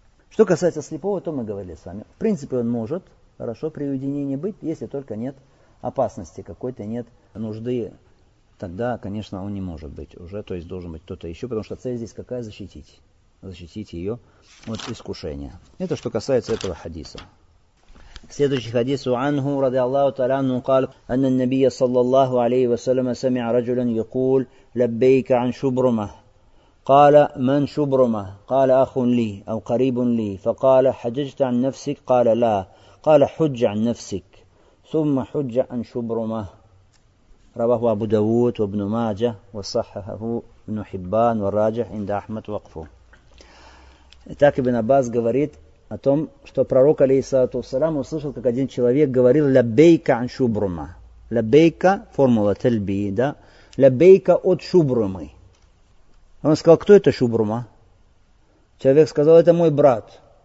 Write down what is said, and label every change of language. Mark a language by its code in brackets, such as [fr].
[ru] Что касается слепого, то мы говорили с вами. В принципе, он может хорошо при уединении быть, если только нет опасности какой-то, нет нужды. Тогда, конечно, он не может быть уже, то есть должен быть кто-то еще, потому что цель здесь какая? Защитить. Защитить ее от искушения. Это что касается этого хадиса. Следующий хадис. [ar] عنه رضي الله تعالى عنه قال أن النبي صلى الله عليه وسلم سمع رجلا يقول لبيك عن شبرمة قال من شبرمة قال أخ لي أو قريب لي فقال حججت عن نفسك قال لا قال حج عن نفسك ثم حج عن شبرمة رواه أبو داود وابن ماجة وصححه ابن حبان والراجح عند أحمد وقفه. [ru] Итак, ибн Аббас говорит о том, что пророк алейхиссалату вассалям услышал, как один человек говорил «Лаббейка ан шубрума». «Лаббейка» – формула тальби, да? «Лаббейка от шубрумы». Он сказал, кто это шубрума? Человек сказал, это мой брат.